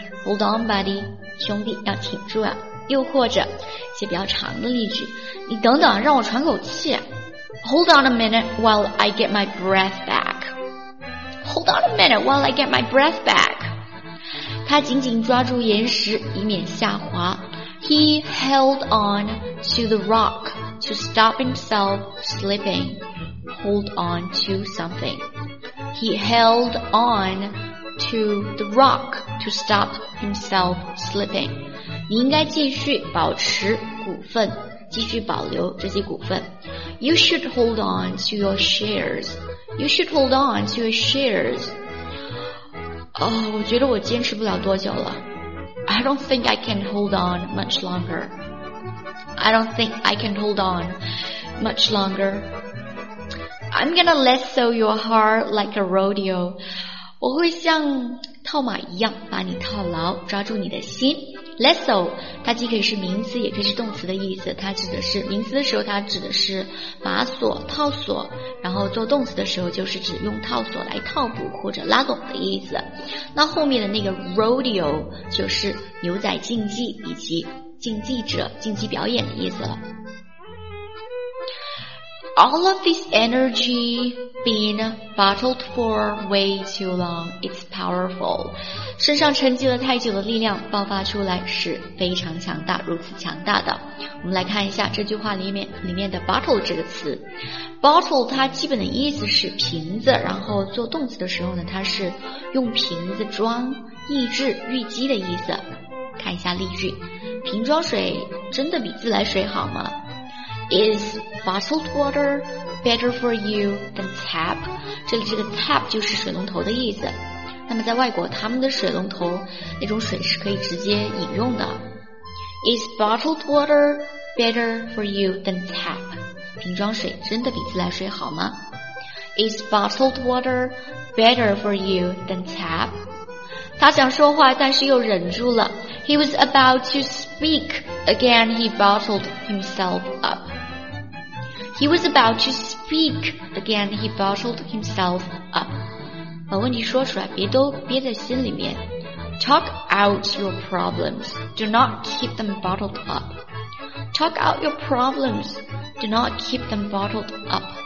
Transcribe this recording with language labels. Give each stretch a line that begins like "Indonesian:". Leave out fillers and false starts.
English: Hold on, buddy,
Chinese: 兄弟要挺住啊。又或者一些比较长的例句，你等等，让我喘口气。
English: Hold on a minute while I get my breath back. Hold on a minute while I get my breath back.
Chinese: 他紧紧抓住岩石以免下滑。
English: He held on to the rock to stop himself slipping. Hold on to something. He held on to the rock to stop himself slipping.
Chinese: 你应该继续保持股份，继续保留这些股份。
English: You should hold on to your sharesYou should hold on to your shares.
Chinese: Oh, 我觉得我坚持不了多久了。
English: I don't think I can hold on much longer. I don't think I can hold on much longer. I'm gonna lasso your heart like a rodeo.
Chinese: 我会像套马一样把你套牢，抓住你的心。 Lasso 它既可以是名词也可以是动词的意思，它指的是名词的时候它指的是把锁套锁，然后做动词的时候就是指用套锁来套捕或者拉拢的意思。那后面的那个 rodeo 就是牛仔竞技以及竞技者竞技表演的意思了。
English: All of this energy been bottled for way too long, it's powerful.
Chinese: 身上沉积了太久的力量爆发出来是非常强大，如此强大的。我们来看一下这句话里面的 bottle 这个词。 bottle 它基本的意思是瓶子，然后做动词的时候呢，它是用瓶子装抑制淤积的意思。看一下例句，瓶装水真的比自来水好吗？
English: Is bottled water better for you than tap?
Chinese: 这里这个 tap 就是水龙头的意思。那么在外国他们的水龙头那种水是可以直接饮用的。
English: Is bottled water better for you than tap?
Chinese: 瓶装水真的比自来水好吗？
English: Is bottled water better for you than tap?
Chinese: 他想说话但是又忍住了。
English: He was about to speak, again he bottled himself up. He was about to speak, again he bottled himself up.
Chinese: 把问题说出来，别都憋在心里面。
English: Talk out your problems, do not keep them bottled up. Talk out your problems, do not keep them bottled up.